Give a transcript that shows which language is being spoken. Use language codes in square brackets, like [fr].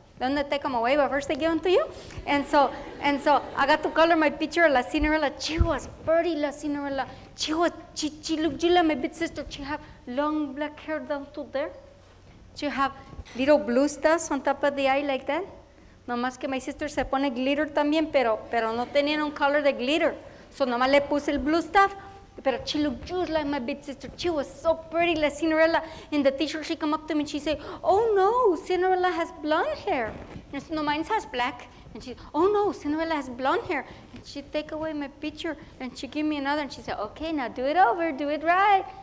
[en] Then they take them away, but first they give them to you. And so I got to color my picture of La Cinderella. She was pretty, La Cinderella. She looked just like my big sister. She have long black hair down to there. She have little blue stuff on top of the eye like that. [es] No más que [en] my sister [es] se pone glitter también, pero no tenían un color de glitter. So no más le puse el [en] blue stuff. But she looked just like my big sister. She was so pretty, La Cinderella. And the teacher, she come up to me and she say, "Oh no, Cinderella has blonde hair." And I said, "No, mine has black." And she, "Oh no, Cinderella has blonde hair." And she take away my picture and she give me another. And she said, "Okay, now do it over, do it right."